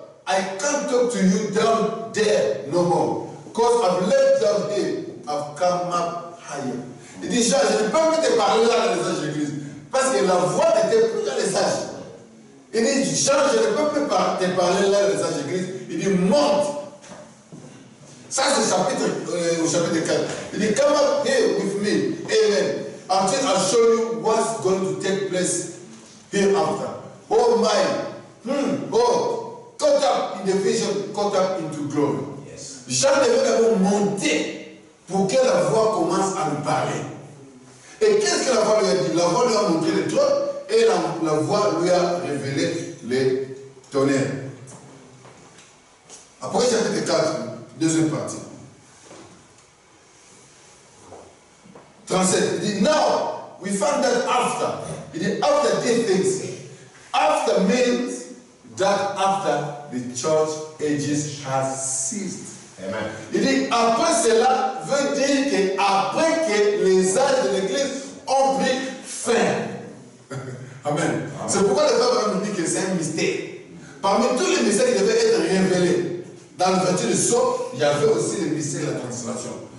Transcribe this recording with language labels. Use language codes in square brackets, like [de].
[en] I can't talk to you down there no more. Because I've left down here. I've come up higher. [fr] Il dit, Jean, je ne peux plus te parler là dans les âges de l'Église. Parce que la voix était plus dans les âges. Il dit, Jean, je ne peux plus te parler là dans les âges de l'Église. Il dit, monte. Ça, c'est au chapitre 4. Il dit, [en] come up here with me. Amen. Until I show you what's going to take place hereafter. Oh my. Caught up in the vision, caught up into glory. Yes. [fr] Jean devait d'abord monter pour que la voix commence à lui parler. Et qu'est-ce que la voix lui a dit? La voix lui a montré le trône et la voix lui a révélé les tonnerres. Après chapitre 4, deuxième partie. 37. Il dit, [en] now we found that after. Il dit, after these things. After means that after the church ages has ceased. Amen. [fr] Il dit après cela veut dire que après que les âges de l'église ont pris fin. Amen. C'est pourquoi le Père nous dit que c'est un mystère. Parmi tous les mystères qui devaient être révélés dans le vêtu du sceau, il y avait aussi le mystère de la transformation.